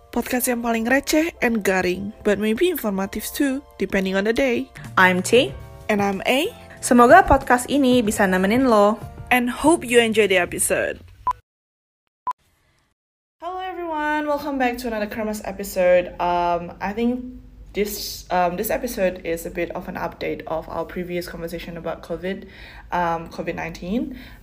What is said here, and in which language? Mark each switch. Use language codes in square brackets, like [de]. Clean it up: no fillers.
[en] Podcast [id] yang paling receh [en] and [id] garing, [en] but maybe informative too, depending on the day. I'm T. And I'm A. [id] Semoga podcast ini bisa nemenin lo. [en] And hope you enjoy the episode. Hello everyone, welcome back to another Kremes episode. I think this episode is a bit of an update of our previous conversation about COVID, COVID-19.